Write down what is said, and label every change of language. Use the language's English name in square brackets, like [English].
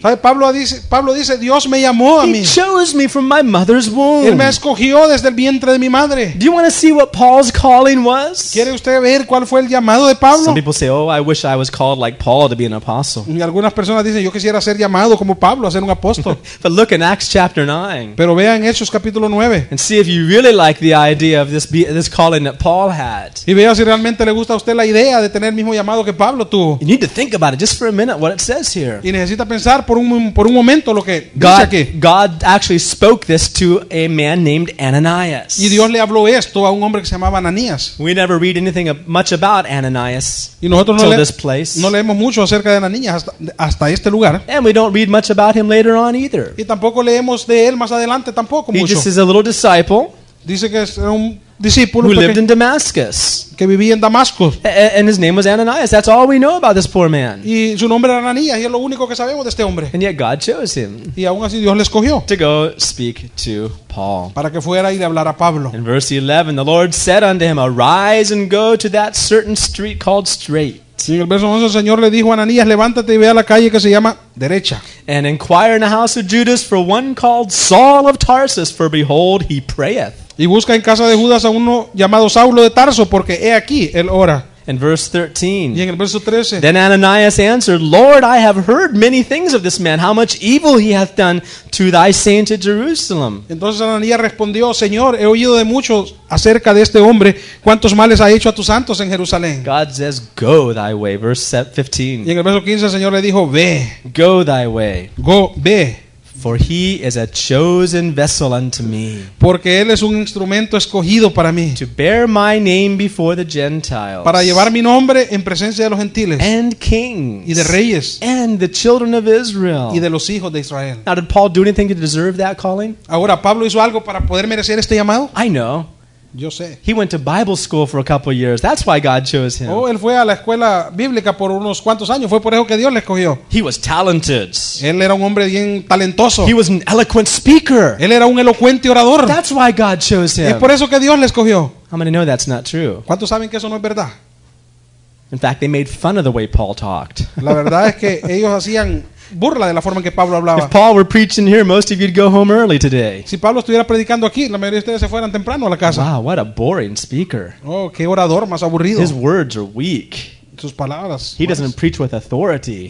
[Spanish] ¿Sabe? Pablo dice, Dios me llamó a mí. [English] He chose me from my mother's womb. [Spanish] Él me escogió desde el vientre de mi madre. [English] Do you want to see what Paul's calling was? [Spanish] ¿Quiere usted ver cuál fue el llamado de Pablo? [English] Some people say, oh, I wish I was called like Paul to be an apostle. [Spanish] Y algunas personas dicen, yo quisiera ser llamado como Pablo, a ser un apóstol. [English] But look in Acts chapter 9. [Spanish] Pero vea en Hechos capítulo 9. [English] And see if you really like the idea of this calling that Paul had. [Spanish] Y vea si realmente le gusta a usted la idea de tener el mismo llamado que Pablo tuvo. [English] You need to think about it just for a minute what it says here. [Spanish] Y necesita pensar por un momento lo que dice aquí. [English] God actually spoke this to a man named Ananias. [Spanish] Y Dios le habló esto a un hombre que se llamaba Ananías. [English] We never read anything much about Ananias. [Spanish] Y nosotros no leemos mucho acerca de Ananías hasta este lugar. [English] And we don't read much about him later on either. [Spanish] Y tampoco leemos de él más adelante tampoco mucho. [English] He just is a little disciple. [Spanish] Dice que era un discípulo [English] who lived in Damascus. [Spanish] Que vivía en Damasco. [English] And his name was Ananias. That's all we know about this poor man. [Spanish] Y su nombre era Ananías, y es lo único que sabemos de este hombre. [English] And yet God chose him. [Spanish] Y aún así Dios le escogió. [English] To go speak to Paul. [Spanish] Para que fuera y le hablara a Pablo. [English] In verse 11, the Lord said unto him, arise and go to that certain street called Straight. [Spanish] Y en el verso 11 el Señor le dijo a Ananías, levántate y ve a la calle que se llama Derecha. [English] And inquire in the house of Judas for one called Saul of Tarsus, for behold, he prayeth. [Spanish] Y busca en casa de Judas a uno llamado Saulo de Tarso, porque he aquí, él ora. [English] In verse 13. [Spanish] Y en el verso 13. [English] Then Ananias answered, Lord, I have heard many things of this man, how much evil he hath done to thy saint at Jerusalem. [Spanish] Entonces Ananías respondió, Señor, he oído de muchos acerca de este hombre, cuántos males ha hecho a tus santos en Jerusalén. [English] God says, go thy way. Verse 15. [Spanish] Y en el verso 15 el Señor le dijo, ve. [English] Go thy way. Go, [Spanish] ve. [English] For he is a chosen vessel unto me. [Spanish] Porque él es un instrumento escogido para mí. [English] To bear my name before the Gentiles. [Spanish] Para llevar mi nombre en presencia de los gentiles. [English] And kings. [Spanish] Y de reyes. [English] And the children of Israel. [Spanish] Y de los hijos de Israel. [English] Now, did Paul do anything to deserve that calling? [Spanish] Ahora, ¿Pablo hizo algo para poder merecer este llamado? [English] I know. [Spanish] Yo sé. [English] He went to Bible school for a couple of years. That's why God chose him. [Spanish] Oh, él fue a la escuela bíblica por unos cuantos años. Fue por eso que Dios le escogió. [English] He was talented. [Spanish] Él era un hombre bien talentoso. [English] He was an eloquent speaker. [Spanish] Él era un elocuente orador. [English] That's why God chose him. [Spanish] Es por eso que Dios le escogió. [English] How many know that's not true? [Spanish] ¿Cuántos saben que eso no es verdad? [English] In fact, they made fun of the way Paul talked. [Spanish] La verdad es que ellos hacían burla de la forma en que Pablo hablaba. [English] If Paul were preaching here, most of you'd go home early today. [Spanish] Si Pablo estuviera predicando aquí, la mayoría de ustedes se fueran temprano a la casa. [English] Wow, what a boring speaker. [Spanish] Oh, qué orador más aburrido. [English] His words are weak. [Spanish] sus palabras. [English] He doesn't preach with authority.